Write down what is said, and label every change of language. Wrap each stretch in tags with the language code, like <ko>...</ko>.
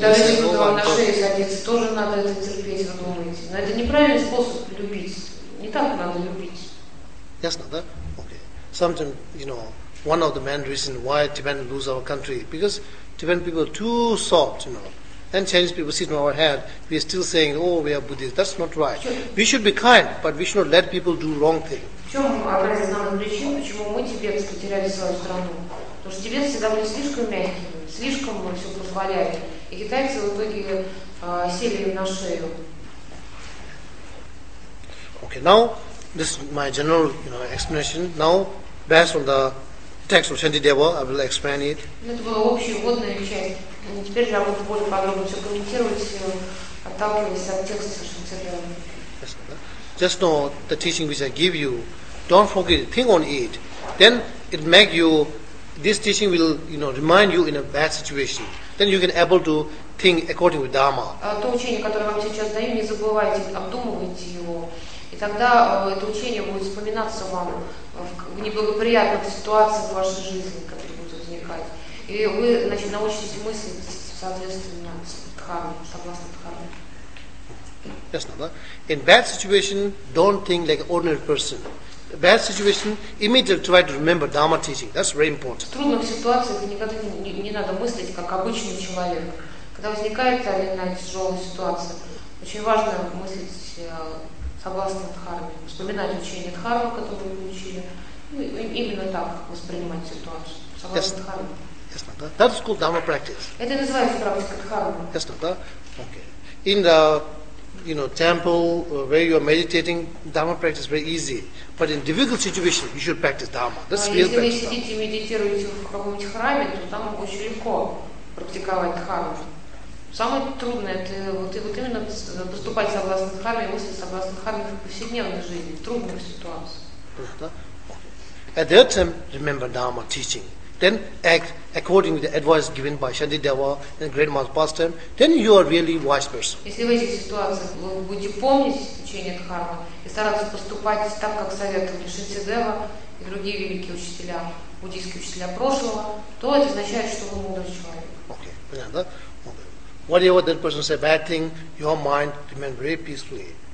<ru>Да, если кто-то на шее садится, тоже надо это терпеть, вы думаете. Но это неправильный способ любить. Не так надо любить.</ru> <en>Yes, not that. Okay. Sometimes, you know, one of the main reasons why Tibetan lose our country because Tibetan people are too soft, you know. And Chinese people sit on our head, we are still saying, oh, we are Buddhists. That's not right. We should be kind, but we should not let people do wrong things.</en> <ru>В чем образная причина, почему мы, тибетцы, потеряли свою страну? Потому что тибетцы всегда были слишком мягкими, слишком все позволяли. И китайцы в итоге сели на шею.</ru> <en>Okay, now, this is my general, you know, explanation. Now, based on the text of Shantideva, I will explain it.</en> <ru>Это была общая вводная часть. Теперь я буду более подробно все комментировать, отталкиваясь от текста Шантидева.</ru> <en>Just know the teaching which I give you, don't forget, think on it. Then it make you this teaching will, you know, remind you in a bad situation. Then you can able to think according with Dharma.</en> <ru>То учение, которое вам сейчас даю, не забывайте, обдумывайте его. И тогда это учение будет вспоминаться вам в неблагоприятных ситуациях в вашей жизни, которые будут возникать. И вы, значит, научитесь мыслить соответственно с Дхармой, согласно Дхарме.</ru> <en>Yes, not that. In bad situation, don't think like an ordinary person. Bad situation, immediately try to remember Dharma teaching. That's very important.</en> <ru>В трудных ситуациях никогда не надо мыслить как обычный человек. Когда возникает та или иная тяжелая ситуация, очень важно мыслить согласно Дхарме, вспоминать учение Дхармы, которое вы учили, именно так воспринимать ситуацию, согласно</ru> <en>yes.</en> <ru>Дхарме.</ru> <en>Yes, that is called Dharma practice.</en> <ru>Это называется практика Дхармы.</ru> <en>Yes, not that. Okay. In the you know, temple where you are meditating, Dharma practice is very easy. But in difficult situation, you should practice Dharma. That's real practice.</en> <ru>Если вы сидите и медитируете в каком-нибудь храме, то там очень легко практиковать Дхарму. Самое трудное, это вот именно поступать согласно Дхарме, и мыслить согласно Дхарме в повседневной жизни, в трудных ситуациях.</ru> <en>At that time, remember Dharma teaching. Then act according to the advice given by Shantideva and Great Master Pastor, then you are really wise person.</en> <ru>Если в этих ситуациях вы будете помнить учение Дхармы и стараться поступать так, как советовали Шантидева и другие великие учителя, буддийские учителя прошлого, то это означает, что вы мудрый человек. Okay, понятно, да? Okay.</ru> <en>Whatever that person says bad thing, your mind remains very peacefully.</en>